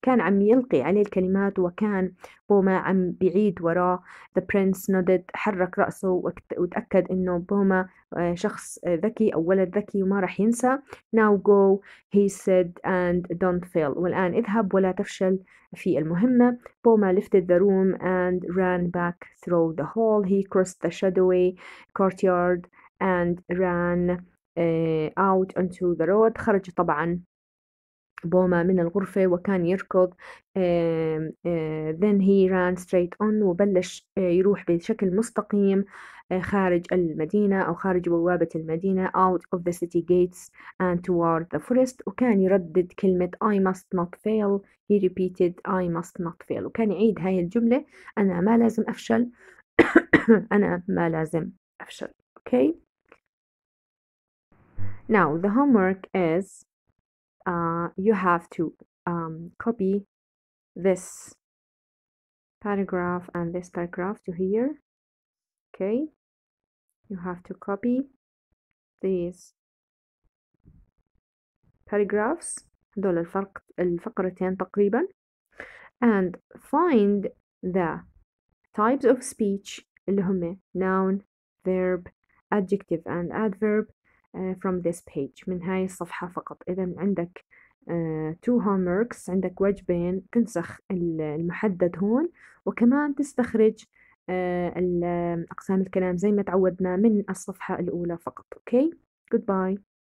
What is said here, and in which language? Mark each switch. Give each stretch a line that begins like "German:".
Arabic: كان عم يلقي عليه الكلمات وكان بوما عم بعيد وراء. The prince nodded, حرك رأسه وتأكد إنه بوما شخص ذكي أو ولد ذكي وما رح ينسى.
English: Now go, he said, and don't fail.
Arabic: والآن اذهب ولا تفشل في المهمة.
English: بوما lifted the room and ran back through the hall. He crossed the shadowy courtyard and ran out onto the road.
Arabic: خرج طبعا بوما من الغرفة وكان يركض. Then he ran straight on, وبلش يروح بشكل مستقيم خارج المدينة أو خارج بوابة المدينة.
English: Out of the city gates and toward the forest. وكان يردد كلمة I must not fail. He repeated I must not fail.
Arabic: وكان يعيد هاي الجملة, أنا ما لازم أفشل. أنا ما لازم أفشل. Okay.
English: Now the homework is you have to copy this paragraph and this paragraph to here. Okay, you have to copy these paragraphs, هذول الفقرتين تقريبا, and find the types of speech اللي هم noun, verb, adjective and adverb from this page من هاي الصفحة فقط.
Arabic: إذا عندك two homeworks, عندك واجبين, تنسخ المحدد هون وكمان تستخرج الأقسام الكلام زي ما تعودنا من الصفحة الأولى فقط. Okay, goodbye.